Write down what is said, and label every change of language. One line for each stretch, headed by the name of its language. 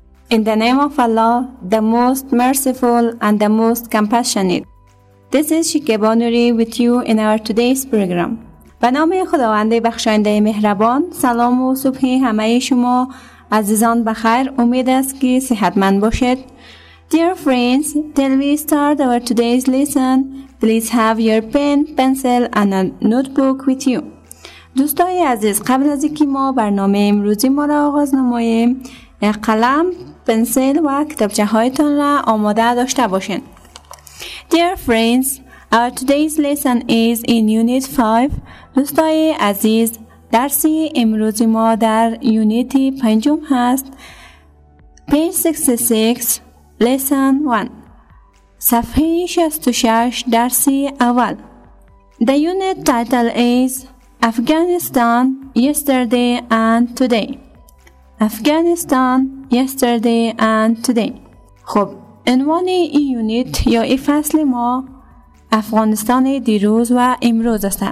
English: In the name of Allah, the most merciful and the most compassionate. This is Shakiba, Noori with you in our today's program.
Persian: به نام خداوند بخشاینده مهربان، سلام و صبح همه شما عزیزان بخیر، امید است که صحتمند باشید.
English: Dear friends, till we start our today's lesson, please have your pen, pencil and a notebook with you.
Persian: دوستای عزیز، قبل از اینکه ما برنامه امروزی ما را آغاز نماییم، قلم، پنسل و کتابچه هایتون را آماده داشته باشین.
English: Dear friends, our today's lesson is in Unit 5.
Persian: دوستای عزیز، درسی امروزی ما در یونیت پنجم هست.
English: Page 66, Lesson 1.
Persian: صفحه 66، درسی اول.
English: The unit title is Afghanistan Yesterday and Today. Afghanistan Yesterday and Today.
Persian: خب، عنوان این یونیت یا این فصل ما افغانستان دیروز و امروز است.